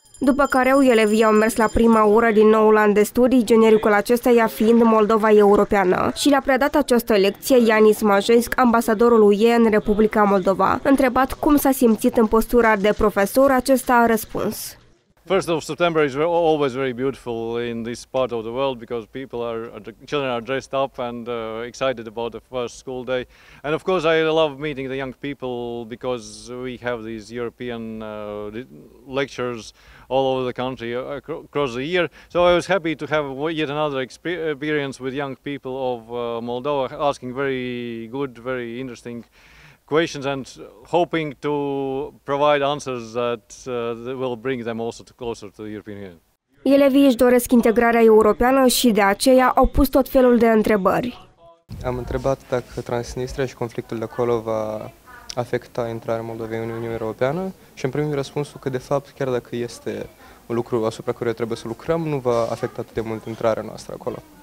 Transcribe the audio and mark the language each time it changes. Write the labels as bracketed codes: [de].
[ro] După care elevii au mers la prima oră din noul an de studii, genericul acesta ea fiind Moldova Europeană. Și le-a predat această lecție Ianis Majesc, ambasadorul UE în Republica Moldova. Întrebat cum s-a simțit în postura de profesor, acesta a răspuns. [en] 1st of September is always very beautiful in this part of the world because people are, children are dressed up and excited about the first school day. And of course I love meeting the young people because we have these European lectures all over the country across the year. So I was happy to have yet another experience with young people of Moldova asking very good, very interesting questions and hoping to provide answers that will bring them also closer to the European Union. [ro] Elevii își doresc integrarea europeană și de aceea au pus tot felul de întrebări. Am întrebat dacă Transnistria și conflictul de acolo va afecta intrarea Moldovei în Uniunea Europeană și am primit răspunsul că de fapt chiar dacă este un lucru asupra căruia trebuie să lucrăm, nu va afecta atât de mult intrarea noastră acolo.